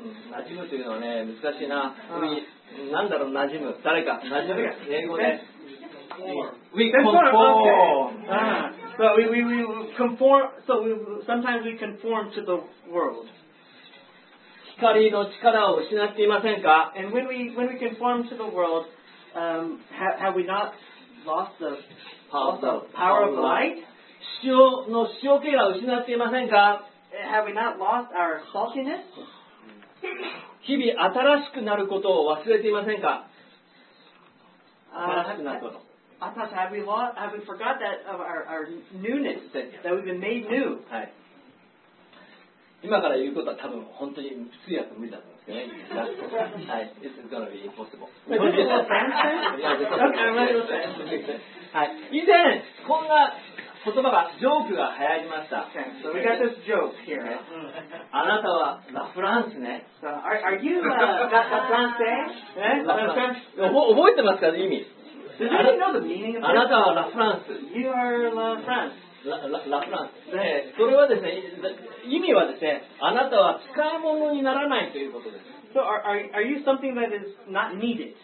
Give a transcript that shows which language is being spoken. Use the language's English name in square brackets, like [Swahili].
[Japanese] 馴染むというのはね、難しいな。何だろう、馴染む。誰か、馴染む。英語で。 [English] We conform. So we conform. So sometimes we conform to the world. [Japanese] 光の力を失っていませんか。 [English] And when we conform to the world, have we not lost the... power of light? [Japanese] 塩の塩気が失っていませんか? [English] Have we not lost our saltiness? [Japanese] 日々新しくなることを忘れていませんか。新しくなること、 [English] I thought, have we forgot that of our newness, that we've been made new. [Japanese] はい。今から言うことは多分本当に普通やと無理だと思うんですけどね。はい。 [English] It's gonna be impossible. Is it a sentence? Yeah, it's a sentence. [Japanese] はい。以前、こんな言葉が、ジョークが流行りました。 [English] Okay. So we got this joke here. [Japanese] あなたは、ラ・フランスね。 [English] So are you, ラ・フランス? [Japanese] ラ・フランス。覚えてますか意味。 [English] Does anybody know the meaning of this? [Japanese] あなたはラ・フランス。 [English] You are La France. [Japanese] ラ・フランス。で、それはですね、意味はですね、あなたは使い物にならないということです。 [English] So are you something that is not needed?